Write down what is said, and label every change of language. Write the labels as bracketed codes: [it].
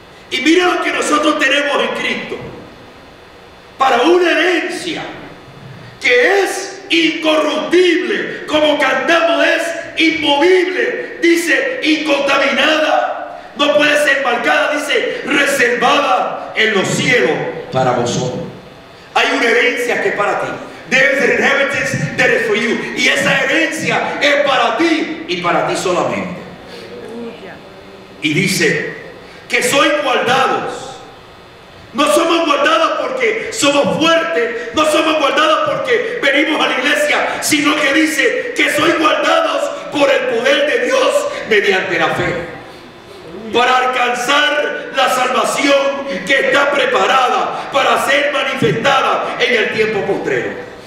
[es] Y mira lo que nosotros tenemos en Cristo para una herencia que es incorruptible, como cantamos, es inmovible, dice, incontaminada, no puede ser marcada, dice, reservada en los cielos para vosotros. Hay una herencia que es para ti. [en] There is an inheritance that is for you. [es] Y esa herencia es para ti y para ti solamente. Y dice que sois guardados. No somos guardados porque somos fuertes. No somos guardados porque venimos a la iglesia. Sino que dice que sois guardados por el poder de Dios mediante la fe, para alcanzar la salvación que está preparada para ser manifestada en el tiempo postrero.